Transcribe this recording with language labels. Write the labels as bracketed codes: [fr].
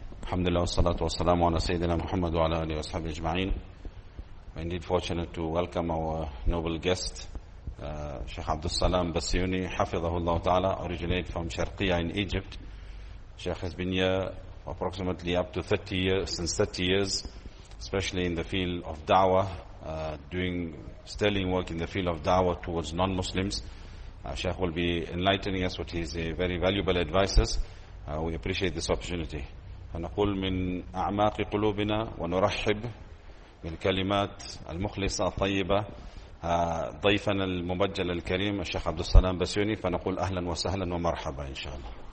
[ar] الحمد لله والصلاة والسلام على سيدنا محمد وعلى آله وصحبه أجمعين. [en] We're indeed fortunate to welcome our noble guest, Sheikh Abdul Salam Bassiouni, [ar] حفظه الله تعالى, [en] originate from Sharqiyah in Egypt. Sheikh has been here approximately up to 30 years, especially in the field of da'wah, doing sterling work in the field of da'wah towards non-Muslims. Sheikh will be enlightening us with his very valuable advices. We appreciate this opportunity. [ar] فنقول من أعماق قلوبنا ونرحب بالكلمات المخلصة الطيبة ضيفنا المبجل الكريم الشيخ عبد السلام بسيوني فنقول أهلا وسهلا ومرحبا إن شاء الله.